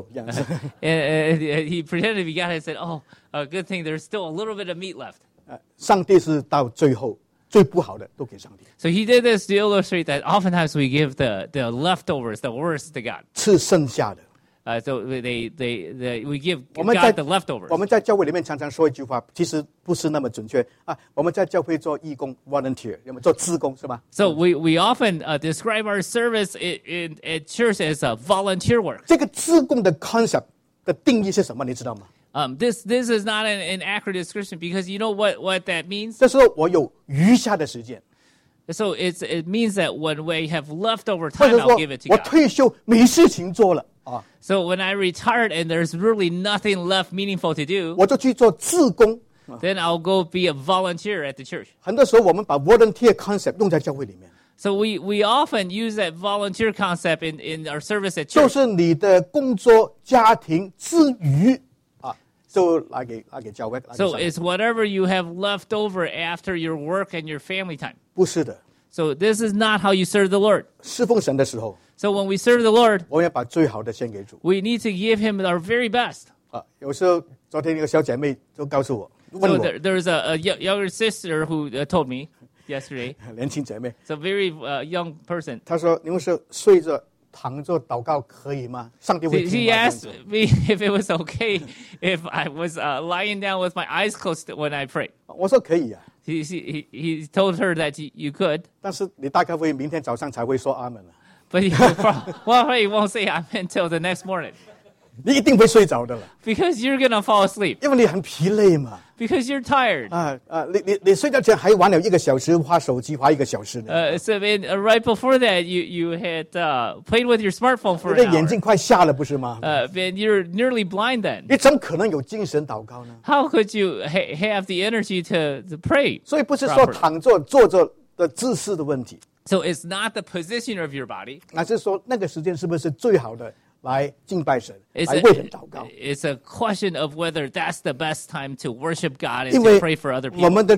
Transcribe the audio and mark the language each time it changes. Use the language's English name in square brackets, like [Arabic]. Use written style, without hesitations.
[Chinese] 然后看一看，哎，幸亏还有一点肉，还有一点肉，这样子。And [English] he pretended to be God and said, "Oh, a good thing. There's still a little bit of meat left." [Chinese] 上帝是到最后。 [English] So he did this to illustrate that oftentimes we give the leftovers, the worst to God. [Chinese] 吃剩下的, [English] so we give [Chinese] 我们在, [English] God the leftovers. [Chinese] 我们在教会里面常常说一句话，其实不是那么准确啊。我们在教会做义工 volunteer， 要么做志工是吧？ [English] So we often describe our service in church as a volunteer work. [Chinese] 这个志工的 concept 的定义是什么？你知道吗？ [English] This is not an accurate description because you know what that means? [Chinese] 这时候我有余下的时间, [English] so it means that when we have leftover time, I'll give it to God. [Chinese] 我退休没事情做了, [English] so when I retired and there's really nothing left meaningful to do, [Chinese] 我就去做志工, [English] then I'll go be a volunteer at the church. [Chinese] 很多时候我们把 volunteer concept 用在教会里面。 [English] So we often use that volunteer concept in our service at church. [Chinese] 就是你的工作家庭之余, So [English] it's whatever you have left over after your work and your family time. [Chinese] 不是的, [English] so this is not how you serve the Lord. [Chinese] 侍奉神的时候, [English] so when we serve the Lord, [Chinese] 我要把最好的献给主, [English] we need to give him our very best. [Chinese] 有时候昨天一个小姐妹就告诉我, [English] so there is a younger sister who told me yesterday. [Chinese] 年轻姐妹, [English] so very young person. [Chinese] 她说你们是睡着, 躺着祷告可以吗? 上帝会听吗? [English] He asked me if it was okay if I was lying down with my eyes closed when I pray. [Chinese] 我说可以啊。 [English] He told her that you could. [Chinese] 但是你大概会明天早上才会说阿们。But [English] you probably won't say amen until the next morning. [Chinese] 你一定会睡着的了。 [English] Because you're going to fall asleep. [Chinese] 因为你很疲累嘛。 [English] Because you're tired. [Chinese] 你睡觉前还玩了一个小时，花手机花一个小时呢。 [English] Right before that, you had played with your smartphone for an hour. [Chinese] 眼睛快瞎了，不是吗？ [English] Then you're nearly blind then. [Chinese] 你怎么可能有精神祷告呢？ [English] How could you have the energy to pray? [Chinese] 所以不是说躺坐坐着的姿势的问题。 [English] So it's not the position of your body. [Chinese] 那是说那个时间是不是最好的？来敬拜神, [English] it's a question of whether that's the best time to worship God and to pray for other people.